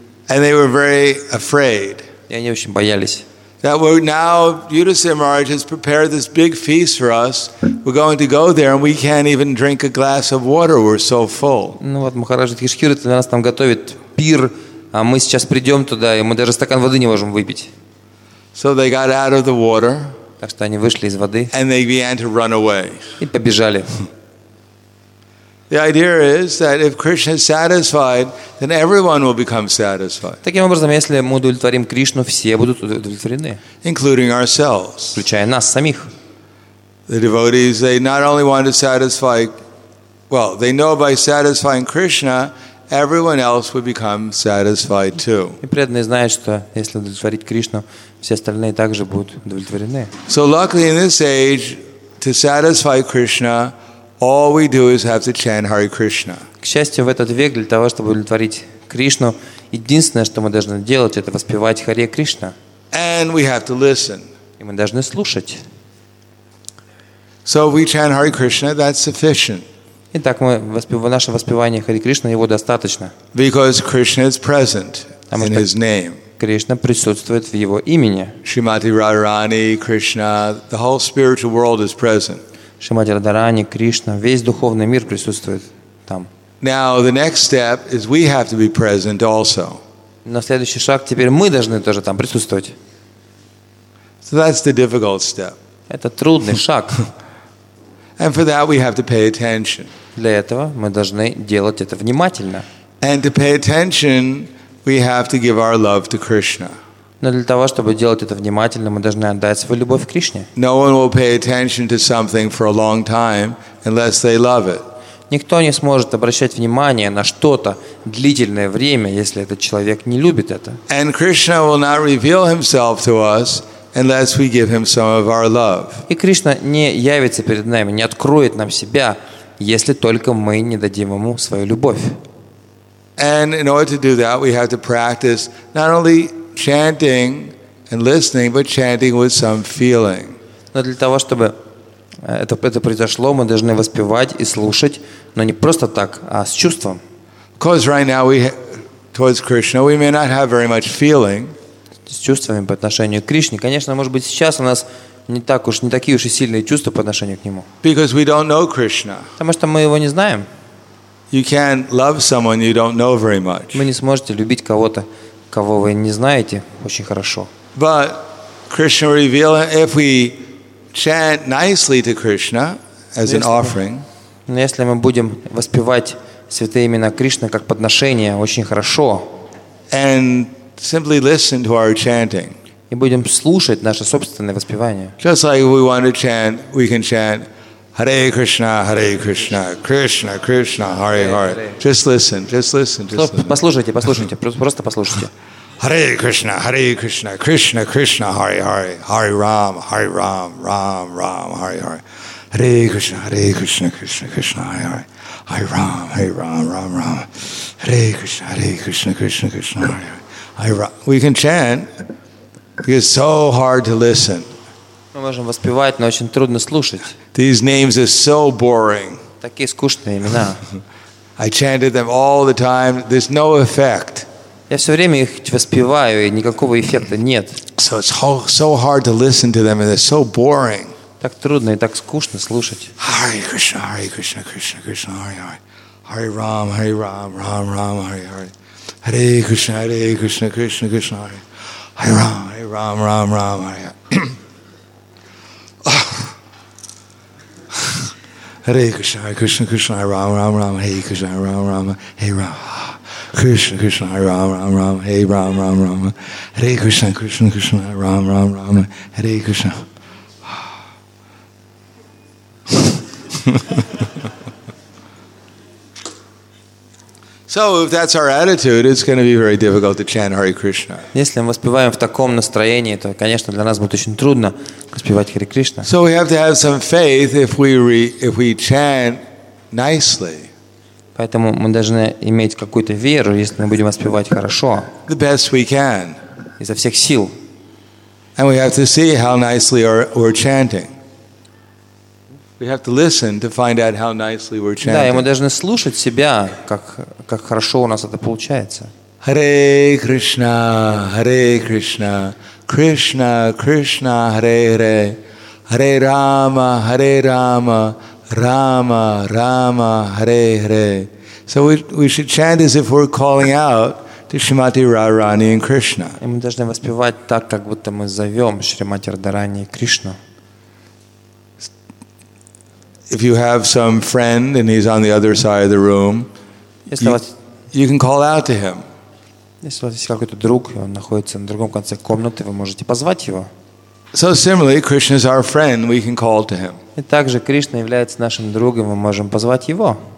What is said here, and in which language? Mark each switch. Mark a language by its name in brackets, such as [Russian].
[English] And they were very afraid. [Russian] И они очень боялись. [English] That we're now Yudhisthira Maharaj has prepared this big feast for us. We're going to go there, and we can't even drink a glass of water. We're so full. [Russian] Ну вот Махарадж Юдхиштхира для нас там готовит пир. А мы сейчас придем туда, и мы даже стакан воды не можем выпить. [English] So they got out of the water, [Russian] так что они вышли из воды. [English] And they began to run away. [Russian] И побежали. [English] The idea is that if Krishna is satisfied, then everyone will become satisfied. [Russian] Таким образом, если мы удовлетворим Кришну, все будут удовлетворены. [English] Including ourselves. [Russian] Включая нас самих. [English] The devotees, they not only want to satisfy, well, they know by satisfying Krishna, everyone else would become satisfied too. [Russian] И преданные знают, что если удовлетворить Кришну, все остальные также будут удовлетворены. [English] So luckily in this age, to satisfy Krishna, all we do is have to chant Hare Krishna. [Russian] К счастью, в этот век для того, чтобы удовлетворить Кришну, единственное, что мы должны делать, это воспевать Харе Кришна. [English] And we have to listen. [Russian] И мы должны слушать. [English] So if we chant Hare Krishna, that's sufficient. [Russian] Итак, наше воспевание Харе Кришна, его достаточно. [English] Because Krishna is present in His name. [Russian] Кришна присутствует в Его имени. [English] Shrimati Radharani, Krishna, the whole spiritual world is present. [Russian] Шримати Радхарани, Кришна, весь духовный мир присутствует там. [English] Now the next step is we have to be present also. [Russian] На следующий шаг теперь мы должны тоже там присутствовать. [English] So that's the difficult step. [Russian] Это трудный шаг. [English] And for that we have to pay attention. [Russian] Для этого мы должны делать это внимательно. [English] And to pay attention, we have to give our love to Krishna. [Russian] Но для того, чтобы делать это внимательно, мы должны отдать свою любовь к Кришне. [English] No one will pay attention to something for a long time unless they love it. [Russian] Никто не сможет обращать внимание на что-то длительное время, если этот человек не любит это. [English] And Krishna will not reveal himself to us unless we give him some of our love. [Russian] И Кришна не явится перед нами, не откроет нам себя, если только мы не дадим ему свою любовь. [English] And in order to do that, we have to practice not only chanting and listening, but chanting with some feeling. [Russian] Но для того, чтобы это произошло, мы должны воспевать и слушать, но не просто так, а с чувством. [English] Because right now towards Krishna, we may not have very much feeling. [Russian] С чувствами по отношению к Кришне, конечно, может быть, сейчас у нас не такие уж и сильные чувства по отношению к нему. [English] Because we don't know Krishna. [Russian] Потому что мы его не знаем. [English] You can't love someone you don't know very much. [Russian] Вы не сможете любить кого-то, кого вы не знаете очень хорошо. [English] But Krishna reveal if we chant nicely to Krishna as an offering. [Russian] Но если мы будем воспевать святые имена Кришны как подношение очень хорошо. [English] And simply listen to our chanting. [Russian] И будем слушать наше собственное воспевание. [English] Just like we want to chant, we can chant Hare Krishna, Hare Krishna, Krishna, Krishna, Hare Hare. Just listen, just listen, just listen. [Russian] Послушайте, послушайте, просто послушайте. [Sanskrit] Hare Krishna, Krishna, Krishna, Hare Hare, Hare Ram, Hare Ram, Ram, Ram, Hare Hare. Hare Krishna, Krishna, Krishna, Hare Hare. Hare Ram, Hare Ram, Ram, Ram. Hare Krishna, Krishna, Krishna, Hare Hare. [English] Hare Ram. We can chant because it's so hard to listen. [Russian] Мы можем воспевать, но очень трудно слушать. [English] These names are so boring. [Russian] Такие скучные имена. [English] I chanted them all the time. There's no effect. [Russian] Я все время их воспеваю, и никакого эффекта нет. [English] So it's so hard to listen to them, and they're so boring. [Russian] Так трудно и так скучно слушать. [Sanskrit] Hare Krishna, Hare Krishna, Krishna Krishna, Hare Hare. Hare Ram, Hare Ram, Ram Ram, Hare Hare. Hare Krishna, Krishna Krishna, Hare Hare. Hare Ram, Ram Ram, Hare Hare. Hare Krishna, Hare Krishna, Krishna, Hare Rama, Rama, Rama, Hare Krishna, Hare Rama, Rama, Hare Rama, Krishna, Krishna, Hare Rama, Rama, Rama, Hare Rama, Rama, Rama, Hare Krishna, Krishna, Krishna, Hare Rama, Rama, Rama, Hare Krishna. [English] So if that's our attitude, it's going to be very difficult to chant Hare Krishna. [Russian] Если мы воспеваем в таком настроении, то, конечно, для нас будет очень трудно воспевать Хари Кришна. [English] So we have to have some faith if we chant nicely. [Russian] Поэтому мы должны иметь какую-то веру, если мы будем воспевать хорошо. [English] The best we can. [Russian] Изо всех сил. [English] And we have to see how nicely we're chanting. We have to listen to find out how nicely we're chanting. [Russian] Да, и мы должны слушать себя, как хорошо у нас это получается. [Sanskrit] Hare Krishna, Hare Krishna, Krishna Krishna, Hare Hare. Hare Rama, Hare Rama, Rama Rama, Hare Hare. [English] So we should chant as if we're calling out to Shrimati Radharani and Krishna. [Russian] И мы должны воспевать так, как будто мы зовем Шримати Радхарани и Кришну. [English] If you have some friend and he's on the other side of the room, you can call out to him. [Russian] Если у вас есть какой-то друг, и он находится на другом конце комнаты, вы можете позвать его. [English] So similarly, Krishna is our friend, we can call to him. [Russian] И также Кришна является нашим другом, мы можем позвать его.